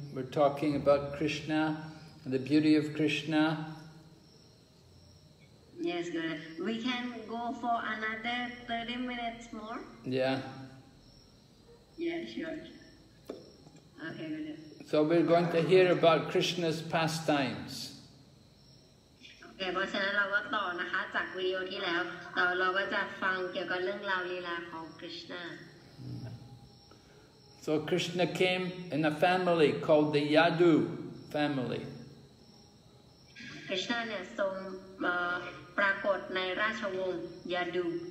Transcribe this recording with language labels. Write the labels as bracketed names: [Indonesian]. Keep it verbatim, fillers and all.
[English] We're talking about Krishna, the beauty of Krishna. Yes, Gurudev. We can go for another thirty minutes more? Yeah. Yeah, sure. Okay, Gurudev. So we're going to hear about Krishna's pastimes. [Thai] แต่เพราะฉะนั้นเราก็ต่อนะคะจากวิดีโอที่แล้วเราเราก็จะฟังเกี่ยวกับเรื่องราวลีลาของคริชนา [English] So Krishna came in a family called the Yadu family. [Thai] คริชนาเนี่ยทรงปรากฏในราชวงศ์ยาดู